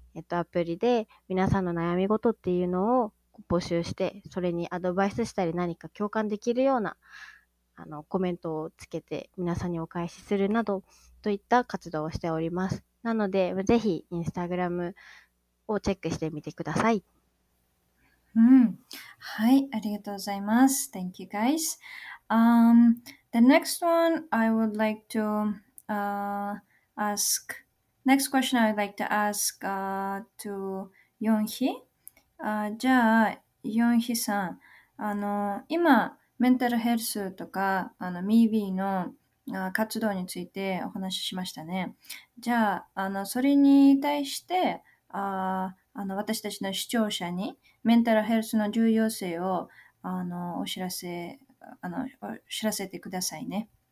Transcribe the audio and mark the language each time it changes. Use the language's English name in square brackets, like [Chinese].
[Japanese] アプリで皆さんの悩み事っていうのを募集して、それにアドバイスしたり何か共感できるようなコメントをつけて皆さんにお返しするなどといった活動をしております。なのでぜひインスタグラムをチェックしてみてください。うん、はい、ありがとうございます。 [English] Thank you guys. The next one I would like to ask next question I would like to ask to Yonghee. [Japanese] じゃあヨンヒさん、今メンタルヘルスとかMeWe の活動についてお話ししましたね。じゃあそれに対して私たちの視聴者にメンタルヘルスの重要性をお知らせてくださいね。